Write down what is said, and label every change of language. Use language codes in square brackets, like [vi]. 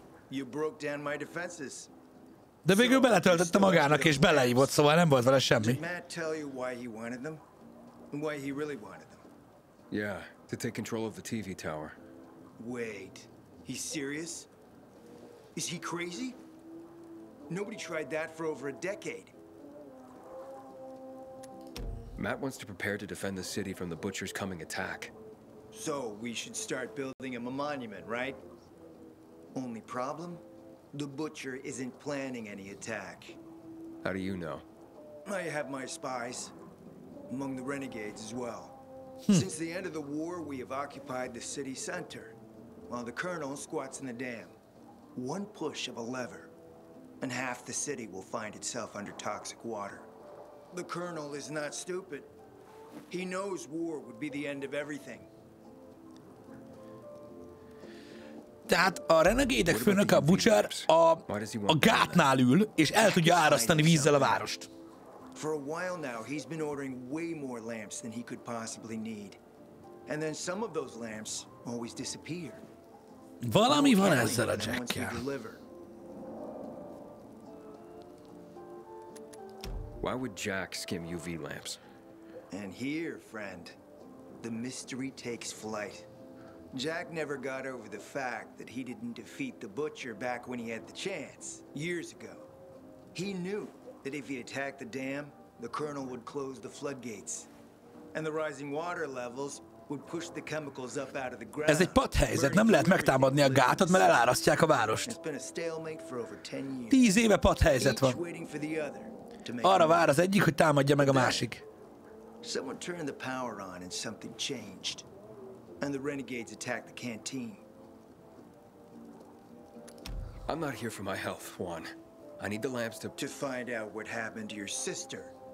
[en] You broke down my defenses. [hu] De végül beletöltötte magának és beleívott, szóval nem volt vele semmi. [en] Did Matt tell you why he wanted them? And why he really wanted them? Yeah, to take control of the TV tower. Wait, he's serious? Is he crazy? Nobody tried that for over a decade. Matt wants to prepare to defend the city from the Butcher's coming attack. So, we should start building him a monument, right? Only problem? The Butcher isn't planning any attack. How do you know? I have my spies. Among the renegades as well. Since the end of the war, we have occupied the city center. While the Colonel squats in the dam. One push of a lever. And half the city will find itself under toxic water. The Colonel is not stupid. He knows war would be the end of everything. [hu] Tehát a renegédek főnöke, a Butcher, a gátnál ül, és el tudja árasztani vízzel a várost. [en] For a while now, he's been ordering way more lamps than he could possibly need. And then some of those lamps always disappear. [hu] Valami van ezzel a Jackkel. [en] Why would Jack skim UV lamps? And here, friend, the mystery takes flight. Jack never got over the fact that he didn't defeat the Butcher back when he had the chance, years ago. He knew that if he attacked the dam, the Colonel would close the floodgates. And the rising water levels would push the chemicals up out of the ground. [hu] Ez egy patthelyzet, nem lehet megtámadni a gátot, mert elárasztják a várost. [en] It's been a stalemate for over 10 years. [hu] 10 éve patthelyzet van. [en] Each waiting for the other. [hu] Arra vár az egyik, hogy támadja meg a másik. [en] Someone turned the power on and something changed. And the renegades attacked the canteen. I'm not here for my health, Juan. I need the lamps to find out what happened to your sister.